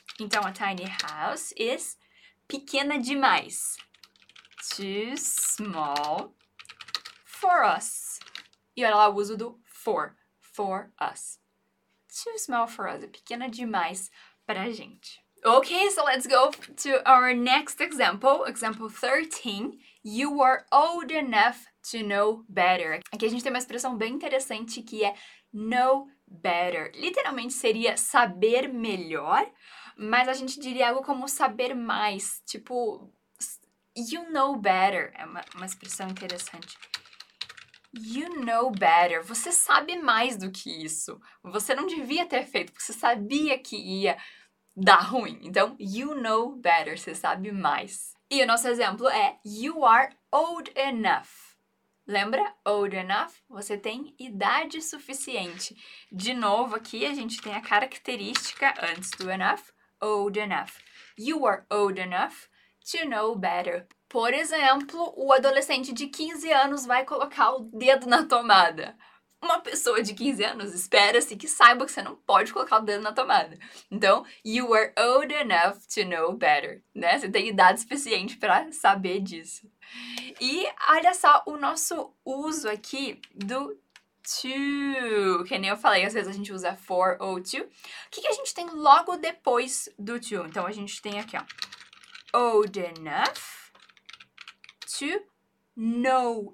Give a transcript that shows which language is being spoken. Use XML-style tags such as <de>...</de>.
<en>Então, a tiny house is</en> <pt>pequena demais.</pt> <en>Too small for us.</en> <pt>E olha lá o uso do for us.</pt> <en>Too small for us.</en> <pt>É pequena demais para a gente.</pt> <en>Okay, so let's go to our next example. Example 13. You are old enough to know better.</en> <pt>Aqui a gente tem uma expressão bem interessante que é know better. Literalmente seria saber melhor, mas a gente diria algo como saber mais. Tipo, you know better. É uma expressão interessante. You know better. Você sabe mais do que isso. Você não devia ter feito, porque você sabia que ia dar ruim. Então, you know better. Você sabe mais. E o nosso exemplo é</pt> <en>You are old enough.</en> <pt>Lembra? Old enough? Você tem idade suficiente. De novo, aqui a gente tem a característica antes do enough. Old enough.</pt> <en>You are old enough to know better.</en> <pt>Por exemplo, o adolescente de 15 anos vai colocar o dedo na tomada. Uma pessoa de 15 anos espera-se que saiba que você não pode colocar o dedo na tomada.</pt> <en>Então, you are old enough to know better, né?</en> <pt>Você tem idade suficiente para saber disso. E olha só o nosso uso aqui do to, que nem eu falei, às vezes a gente usa for ou to. O que que a gente tem logo depois do to? Então a gente tem aqui, ó,</pt> <en>old enough to know.</en>